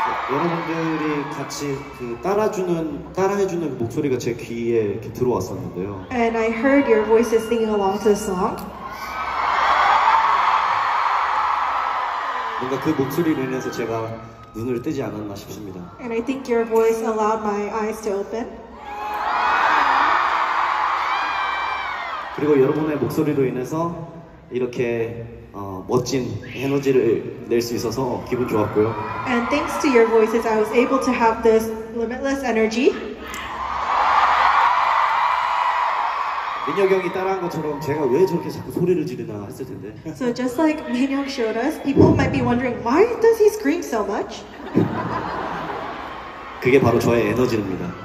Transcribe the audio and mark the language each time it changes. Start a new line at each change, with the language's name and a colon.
Korean: 여러분들이 같이 그 따라주는 따라해주는 그 목소리가 제 귀에 이렇게 들어왔었는데요
English: And I heard your voices singing along to the song
Korean: 뭔가 그 목소리를 인해서 제가 눈을 뜨지 않았나 싶습니다
English: And I think your voice allowed my eyes to open
Korean: 그리고 여러분의 목소리로 인해서 이렇게 멋진 에너지를 낼 수 있어서 기분 좋았고요.
English: And thanks to your voices, I was able to have this limitless energy.
Korean: 민혁이 형이 따라한 것처럼 제가 왜 저렇게 자꾸 소리를 지르나 했을 텐데.
English: So just like Minhyuk showed us, people might be wondering why does he scream so much?
Korean: 그게 바로 저의 에너지입니다.